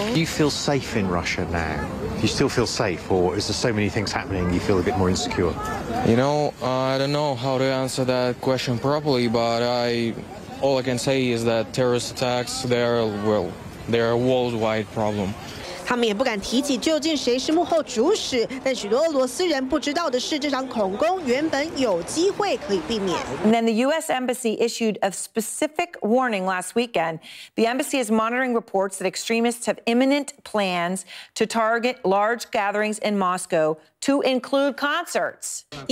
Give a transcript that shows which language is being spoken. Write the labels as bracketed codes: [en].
[en] Do you feel safe in Russia now? Do you still feel safe, or is there so many things happening you feel a bit more insecure? You know, I don't know how to answer that question properly, but I. All I can say is that terrorist attacks, they are a worldwide problem. [zh] 他们也不敢提起究竟谁是幕后主使，但许多俄罗斯人不知道的是，这场恐攻原本有机会可以避免。 [en] And then the U.S. Embassy issued a specific warning last weekend. The embassy is monitoring reports that extremists have imminent plans to target large gatherings in Moscow to include concerts.